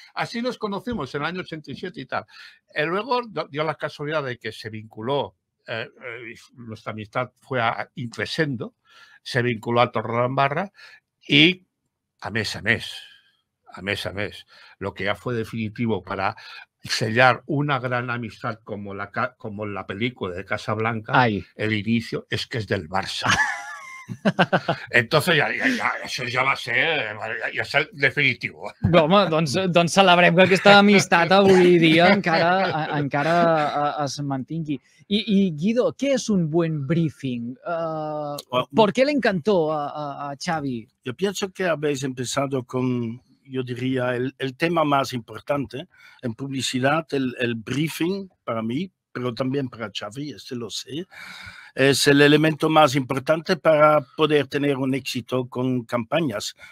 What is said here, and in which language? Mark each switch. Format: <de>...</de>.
<es>Así nos conocimos en el año 87 y tal. Y luego dio la casualidad de que se vinculó, nuestra amistad fue a increciendo, se vinculó a Torre Lambarra y a mes a mes, lo que ya fue definitivo para sellar una gran amistad como la película de Casablanca. Ay. El inicio es que es del Barça.</es> <ca>Entonces ja, això ja va ser, ja ser definitiu. Bé, home, doncs celebrem que aquesta amistat avui dia encara es mantingui. I Guido, què és un buen briefing?</ca> <es>¿Por qué le encantó a Xavi? Yo pienso que habéis empezado con, yo diría, el tema más importante en publicidad, el briefing para mí, pero también para Xavi, este lo sé. Es el elemento más importante para poder tener un éxito con campañas.</es>